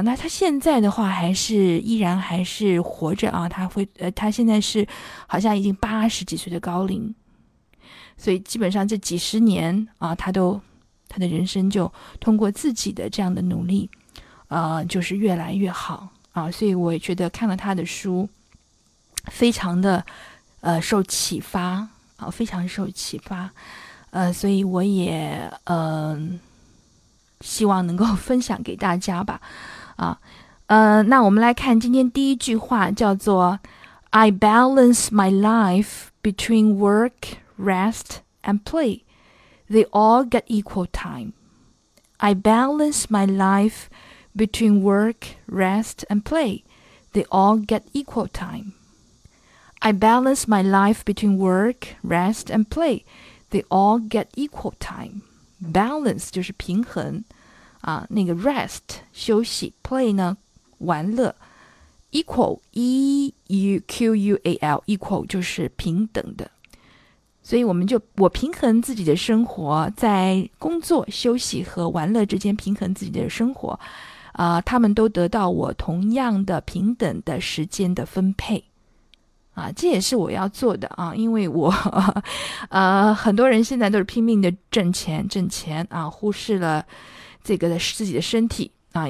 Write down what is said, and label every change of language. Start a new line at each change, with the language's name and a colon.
Chinese: 那他现在的话还是依然还是活着啊，他现在是好像已经八十几岁的高龄，所以基本上这几十年啊，他的人生就通过自己的这样的努力就是越来越好啊。所以我也觉得看了他的书非常的受启发啊，非常受启发。所以我也希望能够分享给大家吧啊。那我们来看今天第一句话，叫做
English: I balance my life between workRest and play, they all get equal time. I balance my life between work, rest and play. They all get equal time. I balance my life between work, rest and play. They all get equal time.
Chinese: Balance 就是平衡啊，那个 rest 休息 ，play 呢玩乐 ，equal EQUAL equal 就是平等的。所以我平衡自己的生活，在工作、休息和玩乐之间平衡自己的生活，他们都得到我同样的平等的时间的分配，啊，这也是我要做的啊，因为我，很多人现在都是拼命的挣钱，挣钱啊，忽视了这个自己的身体啊。